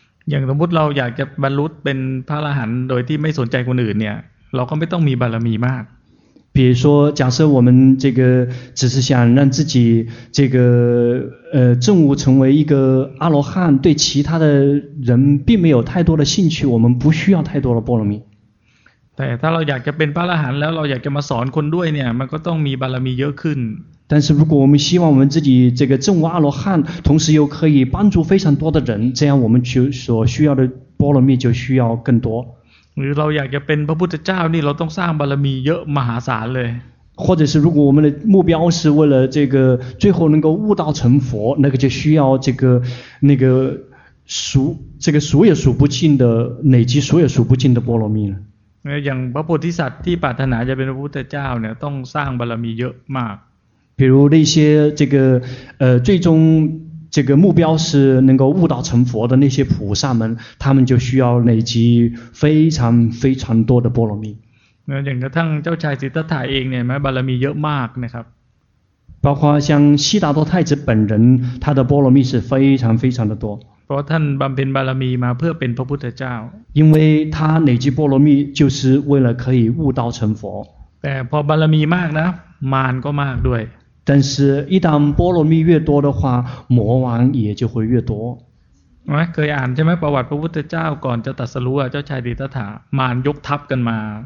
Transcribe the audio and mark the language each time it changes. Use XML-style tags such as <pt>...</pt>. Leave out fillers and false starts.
<th>อย่างสมมติเราอยากจะบรรลุเป็นพระอรหันต์โดยที่ไม่สนใจคนอื่นเนี่ยเราก็ไม่ต้องมีบารมีมาก</th> <zh>比如说假设我们这个只是想让自己这个证悟成为一个阿罗汉对其他的人并没有太多的兴趣我们不需要太多的波罗蜜</zh> <th>แต่ถ้าเราอยากจะเป็นพระอรหันต์แล้วเราอยากจะมาสอนคนด้วยเนี่ยมันก็ต้องมีบารมีเยอะขึ้น</th> <zh>但是如果我们希望我们自己这个证悟阿罗汉同时又可以帮助非常多的人这样我们所需要的波罗蜜就需要更多</zh> <th>หรือเราอยากจะเป็นพระพุทธเจ้านี่เราต้องสร้างบารมีเยอะมหาศาลเลย</th> <zh>或者是如果我们的目标是为了这个最后能够悟道成佛那个就需要这个那个数这个数也数不尽的累积数也数不尽的波罗蜜了</zh> <th>อย่างพระโพธิสัตว์ที่ปรารถนาจะเป็นพระพุทธเจ้าเนี่ยต้องสร้างบารมีเยอะมาก</th> <zh>比如那些这个最终这个目标是能够悟道成佛的那些菩萨们，他们就需要累积非常非常多的波罗蜜。</zh> <th>那อย่างกระทั่งเจ้าชายสิทธัตถะเองเนี่ยแม้บารมีเยอะมากนะครับ</th> <zh>包括像悉达多太子本人他的波罗蜜是非常非常的多</zh> <th>เพราะท่านบำเพ็ญบารมีมาเพื่อเป็นพระพุทธเจ้า</th> <zh>因为他累积波罗蜜就是为了可以悟道成佛</zh> <th>แต่พอบารมีมากนะมารก็มากด้วย</th> <zh>但是一旦波罗蜜越多的话魔王也就会越多</zh> <th>เคยอ่านใช่ไหมประวัติพระพุทธเจ้าก่อนจะตรัสรู้เจ้าชายสิทธัตถะมารยกทัพกันมา</th>